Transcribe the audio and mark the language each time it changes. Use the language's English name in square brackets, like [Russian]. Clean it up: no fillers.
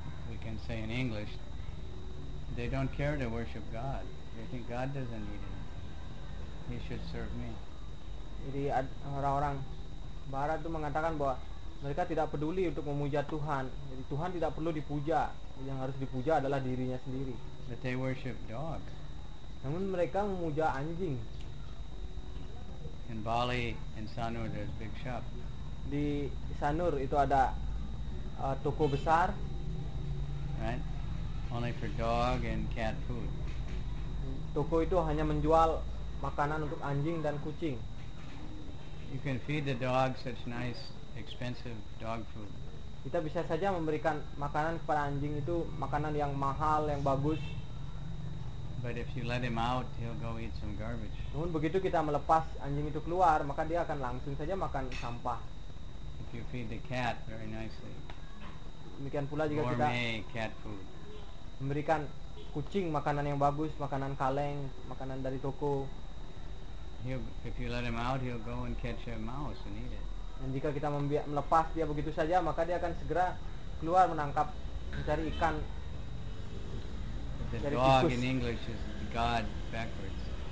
[English] We can say in English, they don't care to worship God. They think God doesn't need anything. He should serve me. [Indonesian] Jadi orang-orang Barat itu mengatakan bahwa mereka tidak peduli untuk memuja Tuhan. Jadi Tuhan tidak perlu dipuja. Yang harus dipuja adalah dirinya sendiri. [English] But they worship dogs. [Indonesian] Namun mereka memuja anjing. [English] In Bali, in Sanur, there's big shop. [Indonesian] Di Sanur itu ada toko besar. [English] Right? Only for dog and cat food. [Indonesian] Toko itu hanya menjual makanan untuk anjing dan kucing. [English] You can feed the dog such nice expensive dog food. [Indonesian] Kita bisa saja memberikan makanan kepada anjing itu makanan yang mahal, yang bagus. [English] But if you let him out, he'll go eat some garbage. [Indonesian] Namun begitu kita melepas anjing itu keluar, maka dia akan langsung saja makan sampah. [English] If you feed the cat very nicely. [Indonesian] Demikian pula jika kita [English] cat food. [Indonesian] Memberikan kucing makanan yang bagus, makanan kaleng, makanan dari toko. [English] If you let him out, he'll go and catch a mouse and eat it. [Indonesian] Dan jika kita melepas dia begitu saja, maka dia akan segera keluar menangkap, mencari ikan. [English] The dog in English is God backwards.